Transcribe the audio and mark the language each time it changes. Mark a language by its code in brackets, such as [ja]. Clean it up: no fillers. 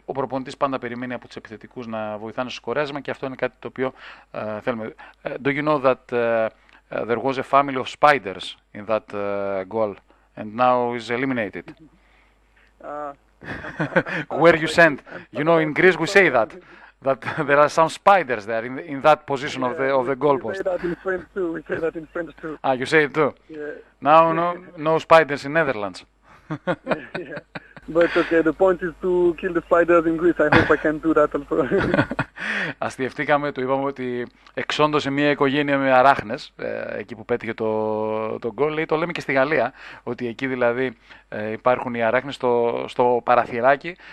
[el] Ο προπονητής πάντα περιμένει από τους επιθετικούς να βοηθάνε στο σκοράρισμα και αυτό είναι κάτι το οποίο θέλουμε. [en] Do you know that there was a family of spiders in that goal and now is eliminated? Where you sent? You know, in Greece we say that there are some spiders there in that position yeah, of the goalpost. We say that in French too. We say that in French too. Ah, you say it too. Yeah. Now no spiders in Netherlands. Yeah. But okay, the point is to kill the spiders in Greece. I hope I can do that also. [el] Αστειευτήκαμε, του είπαμε ότι εξόντωσε μια οικογένεια με αράχνες εκεί που πέτυχε το γκολ. Το λέμε και στη Γαλλία, ότι εκεί δηλαδή υπάρχουν οι αράχνες στο παραθυράκι.